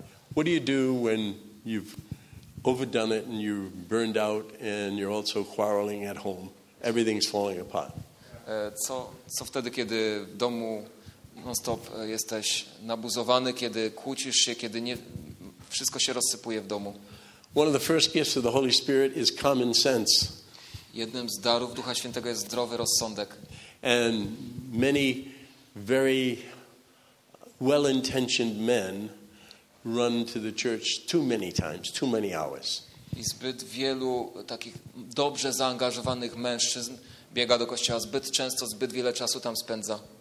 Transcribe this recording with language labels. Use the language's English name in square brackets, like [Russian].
[English] What do you do when you've overdone it and you've burned out and you're also quarreling at home? Everything's falling apart. [Polish] Co wtedy, kiedy w domu non-stop jesteś nabuzowany, kiedy kłócisz się, kiedy nie, wszystko się rozsypuje w domu? [English] One of the first gifts of the Holy Spirit is common sense. [Polish] Jednym z darów Ducha Świętego jest zdrowy rozsądek. [English] And many very well-intentioned men run to the church too many times, too many hours. [Polish] I zbyt wielu takich dobrze zaangażowanych mężczyzn biega do kościoła zbyt często, zbyt wiele czasu tam spędza.